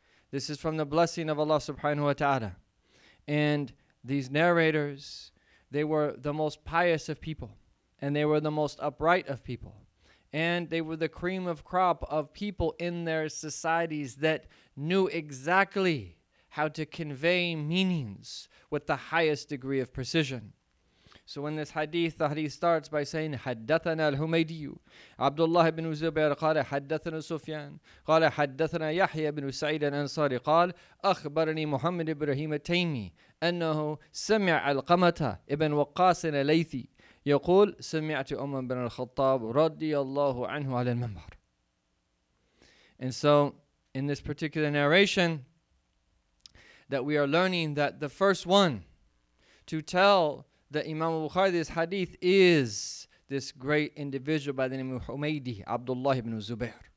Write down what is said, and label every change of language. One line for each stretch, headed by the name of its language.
English: This is from the blessing of Allah subhanahu wa ta'ala. And these narrators, they were the most pious of people, and they were the most upright of people, and they were the cream of crop of people in their societies that knew exactly how to convey meanings with the highest degree of precision. So in this hadith, the hadith starts by saying,
Arabic: حَدَّثَنَا الْهُمَيْدِيُّ عَبْدُ اللَّهِ بْنُ زُبَيْرَ قَالَ حَدَّثَنَا سُفْيَانَ قَالَ حَدَّثَنَا يَحْيَى بْنُ سَعِيدٍ أَنْصَارِ قَالَ أَخْبَرَنِي مُحَمَّدُ إِبْرَهِيمَ التَّيْمِي أَنَّهُ سَمِعَ الْقَمَتَ ابْنَ وَقَاصٍ الْلَيْثِي يقول سمعت عمر بن الخطاب رضي الله عنه على المنبر.
English: And so in this particular narration that we are learning, that the first one to tell the Imam Bukhari this hadith is this great individual by the name of Humaydi, Abdullah ibn Zubair.